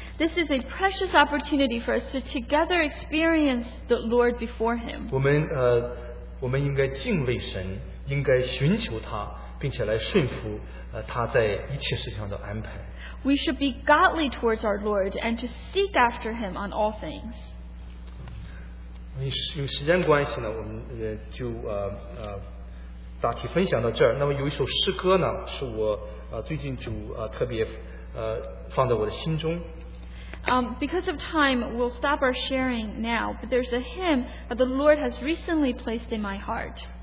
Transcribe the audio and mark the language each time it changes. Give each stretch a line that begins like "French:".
English: This is a precious opportunity for us to together experience the Lord before Him.
Chinese: 我们应该敬畏神，应该寻求他，并且来顺服他在一切事情上的安排。
English: We should be godly towards our Lord and to seek after Him on all things.
Chinese: 大体分享到这儿，那么有一首诗歌呢，是我最近特别放在我的心中。
English: Because of time, we'll stop our sharing now, but there's a hymn that the Lord has recently placed in my heart.